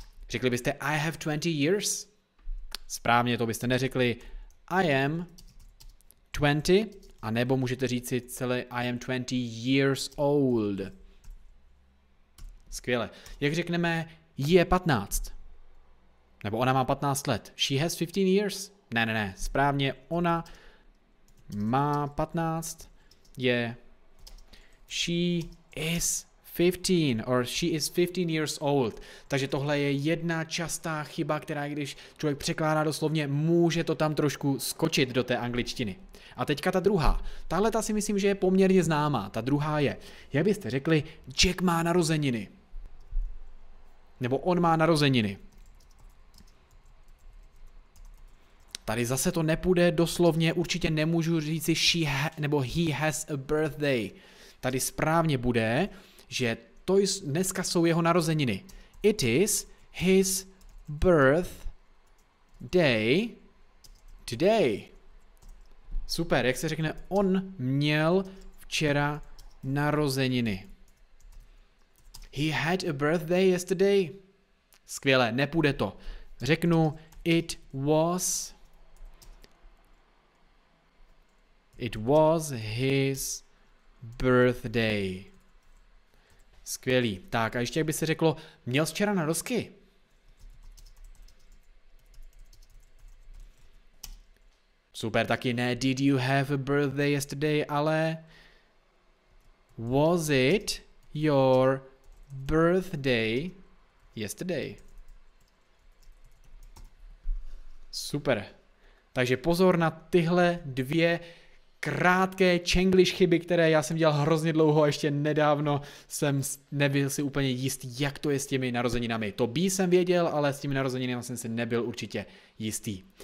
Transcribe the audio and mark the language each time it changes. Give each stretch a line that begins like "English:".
Czech: Řekli byste,
English: I have 20 years.
Czech: Správně, to byste neřekli
English: I am 20,
Czech: a nebo můžete říct si celé
English: I am 20 years old.
Czech: Skvěle. Jak řekneme, jí je 15? Nebo ona má 15 let?
English: She has 15 years?
Czech: Ne. Správně, ona má 15, je
English: she is 15, or she is 15 years old.
Czech: Takže tohle je jedna častá chyba, která, když člověk překládá doslovně, může to tam trošku skočit do té angličtiny. A teďka ta druhá. Tahle ta si myslím, že je poměrně známá. Ta druhá je, jak byste řekli, Jack má narozeniny. Nebo on má narozeniny. Tady zase to nepůjde doslovně, určitě nemůžu říct nebo
English: he has a birthday.
Czech: Tady správně bude, že to dneska jsou jeho narozeniny.
English: It is his birthday today.
Czech: Super, jak se řekne, on měl včera narozeniny.
English: He had a birthday yesterday.
Czech: Skvěle, nepůjde to. Řeknu,
English: it was his birthday.
Czech: Skvělý. Tak a ještě jak by se řeklo, měl včera narozky. Super, taky ne,
English: did you have a birthday yesterday, ale was it your birthday yesterday?
Czech: Super. Takže pozor na tyhle dvě krátké Čenglish chyby, které já jsem dělal hrozně dlouho a ještě nedávno jsem nebyl si úplně jistý, jak to je s těmi narozeninami. To by jsem věděl, ale s těmi narozeninami jsem si nebyl určitě jistý.